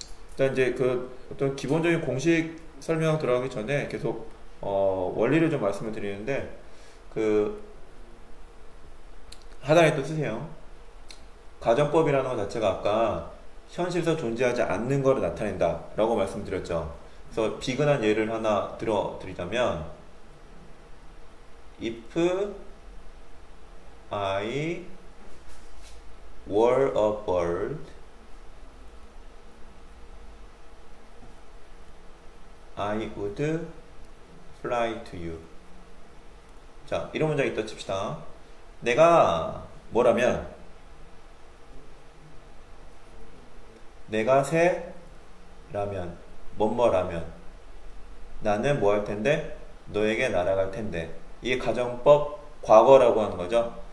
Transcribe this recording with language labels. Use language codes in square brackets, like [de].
[ko] 일단 이제 그 어떤 기본적인 공식 설명 들어가기 전에 계속 원리를 좀 말씀을 드리는데, 그 하단에 또 쓰세요. 가정법이라는 것 자체가 아까 현실에서 존재하지 않는 것을 나타낸다라고 말씀드렸죠. 그래서 비근한 예를 하나 들어드리자면, [en] if I were a bird, I would fly to you. [ko] 자, 이런 문장이 있다 칩시다. 내가 뭐라면? 내가 새라면, 뭐뭐라면, 나는 뭐할 텐데? 너에게 날아갈 텐데. 이게 가정법 과거라고 하는 거죠.